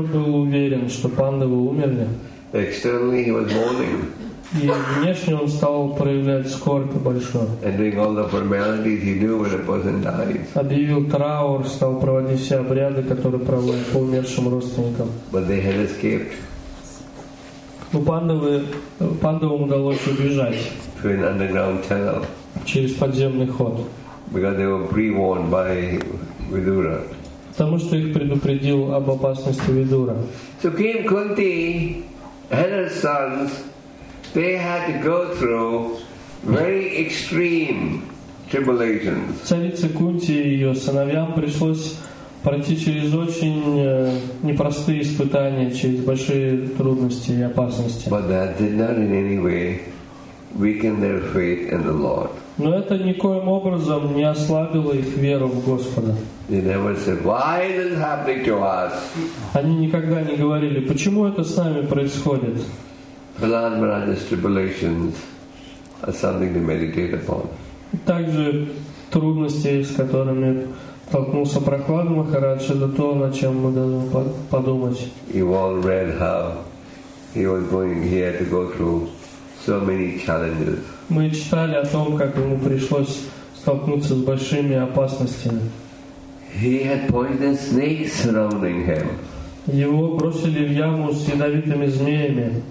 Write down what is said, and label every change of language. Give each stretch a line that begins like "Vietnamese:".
Russian: был уверен, что пандавы умерли.
English: Externally he was mourning.
Russian: И внешне он стал проявлять скорбь большую.
English: And doing all the formalities he knew when a person dies.
Russian: Объявил траур, стал проводить все обряды, которые проводят по умершим родственникам.
English: But they had escaped.
Russian: Но пандавам удалось убежать.
English: Through an underground tunnel.
Russian: Через подземный ход.
English: Because they were pre-warned by Vidura.
Russian: Потому что их предупредил об опасности Видура.
English: So Queen Kunti and her sons, they had to go through very extreme tribulations.
Russian: Царице Кунти и ее сыновьям пришлось пройти через очень непростые испытания, через большие трудности и опасности.
English: But that did not in any way weaken their faith in the Lord.
Russian: Но это никоим образом не ослабило их веру в Господа.
English: They never said, why is this happening to us?
Russian: Они никогда не говорили, почему это с нами происходит.
English: Prahlad Maharaj's tribulations are something to meditate upon.
Russian: Также трудности, с которыми столкнулся Прахлад Махарадж, это то, о чем мы должны подумать.
English: You all read how he was going here to go through so many challenges.
Russian: Мы читали о том, как ему пришлось столкнуться с большими опасностями.
English: He had poisonous snakes surrounding him.
Russian: Его бросили в яму с ядовитыми змеями.